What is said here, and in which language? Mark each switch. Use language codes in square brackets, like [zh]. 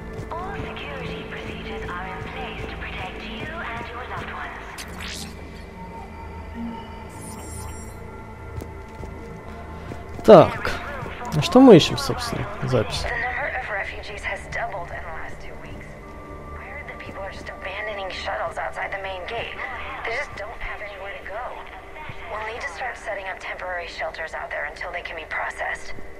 [en] All security procedures are in place to protect you and your loved ones. [ru] Так. А что мы ищем, собственно, запись? [en] The number of refugees has doubled in the last 2 weeks. I heard that people are just abandoning shuttles outside the main gate. They just don't have anywhere to go. We'll need to start setting up temporary shelters out there until they can be processed.